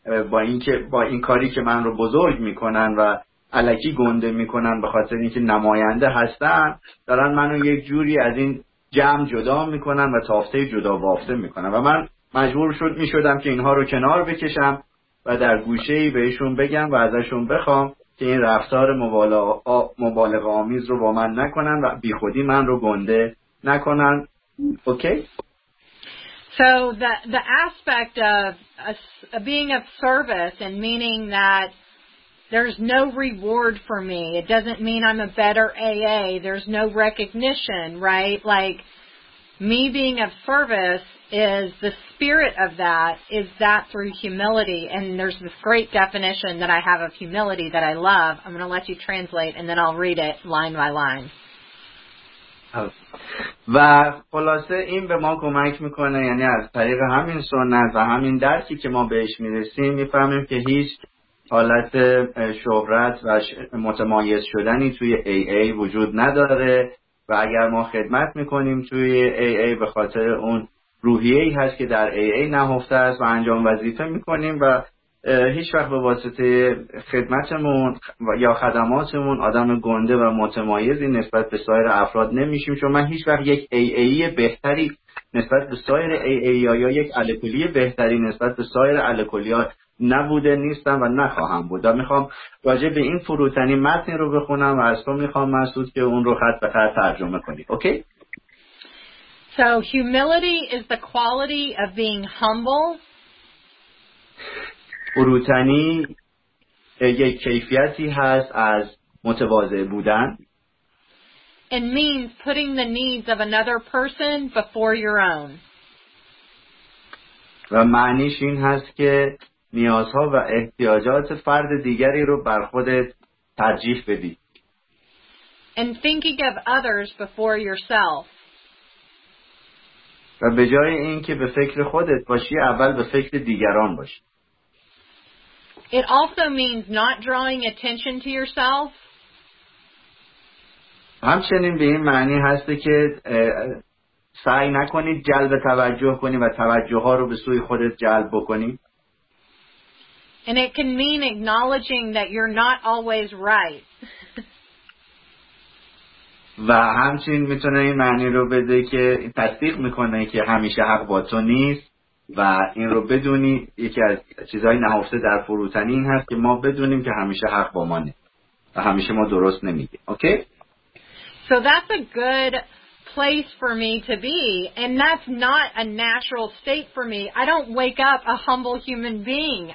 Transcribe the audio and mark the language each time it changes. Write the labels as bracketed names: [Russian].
[Persian] با این که با این کاری که من رو بزرگ میکنن و الکی گنده میکنن به خاطر اینکه نماینده هستن، دارن منو یک جوری از این جمع جدا میکنن و تافته جدا بافته میکنن و من مجبور میشدم که اینها رو کنار بکشم و در گوشه ای بهشون بگم و ازشون بخوام که این رفتار مبالغه آمیز رو با من نکنن و بی خودی من رو گنده نکنن. [English] Okay? So the aspect of being of service and meaning that there's no reward for me. It doesn't mean I'm a better AA. There's no recognition, right? Like, me being of service is the spirit of that, is that through humility. And there's this great definition that I have of humility that I love. I'm going to let you translate, and then I'll read it line by line. [Persian] و خلاصه این به ما کمک میکنه، یعنی از طریق همین سنت و همین درکی که ما بهش میرسیم میفهمیم که هیچ حالت شهرت و متمایز شدنی توی AA وجود نداره و اگر ما خدمت میکنیم توی AA به خاطر اون روحیه‌ای هست که در AA نهفته است و انجام وظیفه میکنیم و هیچ وقت به واسطه خدمتمون یا خدماتمون آدم گنده و متمایزی نسبت به سایر افراد نمیشیم، چون من هیچ وقت یک AA بهتری نسبت به سایر AA یا یک الکلی بهتری نسبت به سایر الکلی ها نبوده نیستم و نخواهم بود. و میخوام راجع به این فروتنی متن رو بخونم و از تو میخوام مسعود که اون رو خط به خط ترجمه کنی. [English] Okay? So humility is the quality of being humble. [Persian] فروتنی یک کیفیتی هست از متواضع بودن. [English] It means putting the needs of another person before your own. [Persian] و معنیش این هست که نیازها و احتیاجات فرد دیگری رو بر خودت ترجیح بدی. [English] And thinking of others before yourself. [Persian] و به جای این که به فکر خودت باشی اول به فکر دیگران باشی. [English] It also means not drawing attention to yourself. [Persian] همچنین به این معنی هست که سعی نکنی جلب توجه کنی و توجه ها رو به سوی خودت جلب بکنی. [English] And it can mean acknowledging that you're not always right. [Persian] و همچنین میتونه این معنی رو بده که تصدیق میکنه که همیشه حق با تو نیست و این رو بدونی. یکی از چیزهای نهفته در فروتنی این هست که ما بدونیم که همیشه حق با ما نیست و همیشه ما درست نمیگیم. [English] Okay? So that's a good place for me to be, and that's not a natural state for me. I don't wake up a humble human being.